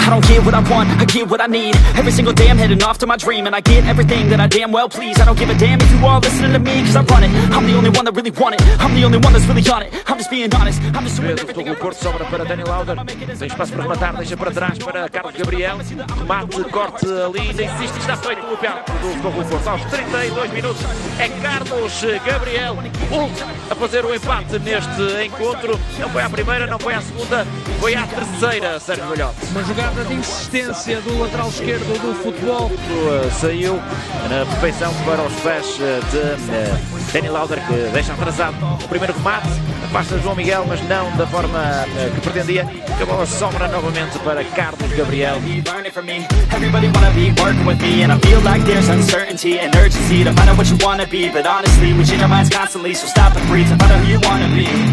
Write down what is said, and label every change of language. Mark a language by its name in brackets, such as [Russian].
[English] get what I want, I get what I need. Every single day I'm heading off to my dream, and I get everything that I damn well please. I don't give a damn if you all listening to me, cause I run it. I'm the only one that really want it, I'm the only one that's really on it. I'm just being honest, I'm just doing everything I want. [Portuguese] Sobra para Dani Lauder, tem espaço para rematar, deixa para trás para Carlos Gabriel. Mate, corte ali, ainda insiste, está feito o apelo do Tocou Força. Aos 32 minutos, é Carlos Gabriel a fazer o empate neste encontro. Não foi à primeira, não foi à segunda, foi à terceira, Sérgio Melhor. Uma jogada de insistência do lateral esquerdo do futebol. Saiu na perfeição para os pés de Dani Lauder, que deixa atrasado o primeiro remate. Basta João Miguel, mas não da forma que pretendia. A bola sobra novamente para Carlos Gabriel. [English] Everybody wanna be working with me, and I feel like there's uncertainty and urgency to find out what you wanna be. But honestly, we change our minds constantly, so stop and breathe and find out who you wanna be.